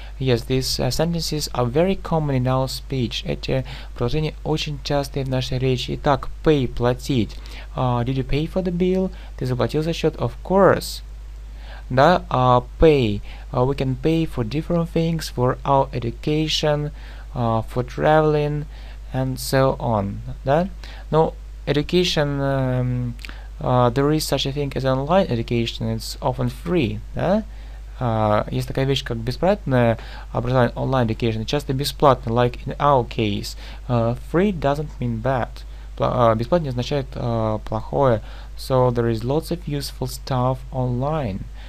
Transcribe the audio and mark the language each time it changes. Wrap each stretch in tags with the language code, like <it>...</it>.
<en>Yes, these sentences are very common in our speech.</en> <ru>Эти предложения очень частые в нашей речи. Итак,</ru> <en>pay –</en> <ru>платить.</ru> <en>Did you pay for the bill?</en> <ru>Ты заплатил за счет?</ru> <en>Of course.</en> <ru>Да, pay.</ru> <en>We can pay for different things, for our education, for traveling, and so on.</en> <ru>Да? Но</ru> <en>education, there is such a thing as online education. It's often free.</en> <ru>Да? Есть такая вещь, как бесплатное образование,</ru> <en>online education,</en> <ru>часто бесплатно,</ru> <en>like in our case. Free doesn't mean bad.</en> <ru>Бесплатно не означает плохое.</ru> <en>So there is lots of useful stuff online.</en>